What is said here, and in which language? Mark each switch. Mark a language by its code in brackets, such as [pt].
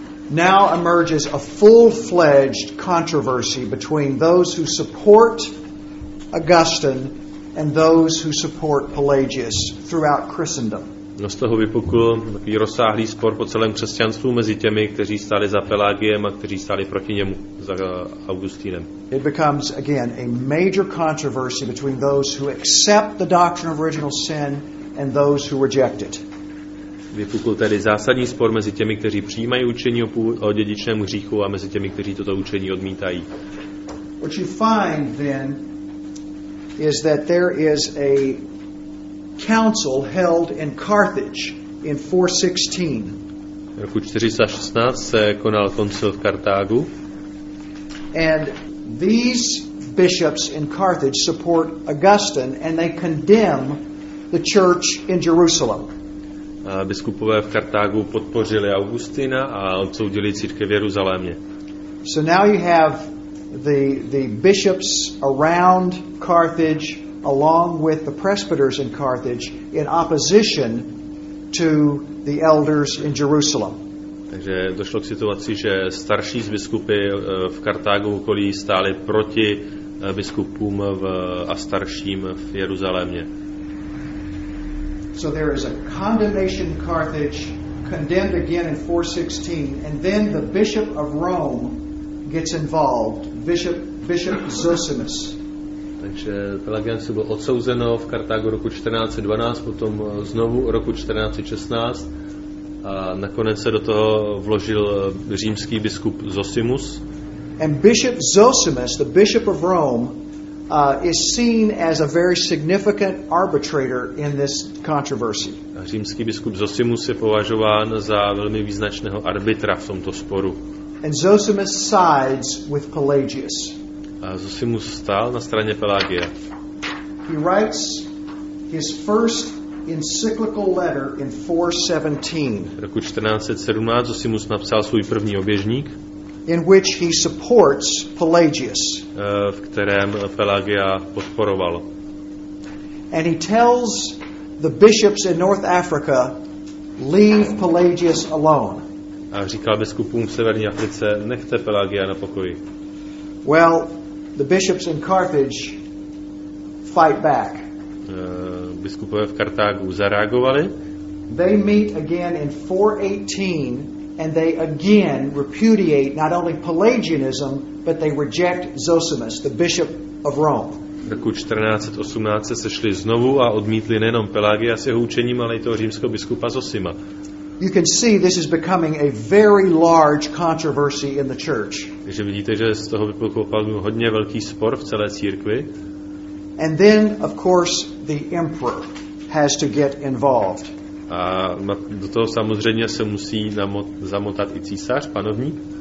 [en] Now emerges a full-fledged controversy between those who support Augustine and those who support Pelagius throughout Christendom. [cs] No z toho vypukl takový rozsáhlý spor po celém křesťanstvu mezi těmi, kteří stáli za Pelagiem a kteří stáli proti němu, za Augustinem. [en] It becomes again a major controversy between those who accept the doctrine of original sin and those who reject it. [cs] Vypukl tedy zásadní spor mezi těmi, kteří přijímají učení o dědičném hříchu a mezi těmi, kteří toto učení odmítají. [en] What you find then is that there is a council held in Carthage in 416. [cs] V roku 416 se konal koncil v Kartágu. [en] And these bishops in Carthage support Augustine and they condemn the church in Jerusalem. [cs] A biskupové v Kartágu podpořili Augustina a odsoudili církev v Jeruzalémě. [en] So now you have the bishops around Carthage along with the presbyters in Carthage in opposition to the elders in Jerusalem. [cs] Takže došlo k situaci, že starší z biskupy v Kartágu okolí stáli proti biskupům a starším v Jeruzalémě. [en] So there is a condemnation in Carthage, condemned again in 416, and then the bishop of Rome gets involved, Bishop Zosimus. [cs] Takže Pelagianus byl odsouzen v Kartágu roku 1412, potom znovu roku 1416 a nakonec se do toho vložil římský biskup Zosimus. [en] And Bishop Zosimus, the bishop of Rome, is seen as a very significant arbitrator in this controversy. [cs] A římský biskup Zosimus je považován za velmi význačného arbitra v tomto sporu. [en] And Zosimus sides with Pelagius. [cs] A Zosimus stál na straně Pelagia. [en] He writes his first encyclical letter in 417. [cs] V roku 1417 Zosimus napsal svůj první oběžník, [en] in which he supports Pelagius. [cs] V kterém Pelagia podporoval. [en] And he tells the bishops in North Africa, leave Pelagius alone. [cs] A říkal biskupům v severní Africe, nechte Pelagia na pokoji. [en] Well, the bishops in Carthage fight back. [cs] Biskupové v Kartágu zareagovali. [en] They meet again in 418 and they again repudiate not only Pelagianism, but they reject Zosimus, the bishop of Rome. [cs] V roku 1418 se sešli znovu a odmítli nejenom Pelagia s jeho učením, ale i toho římského biskupa Zosima. [en] You can see this is becoming a very large controversy in the church. [cs] Takže vidíte, že z toho vypukl hodně velký spor v celé církvi. [en] And then of course the emperor has to get involved. [cs] A do toho samozřejmě se musí zamotat i císař, panovník.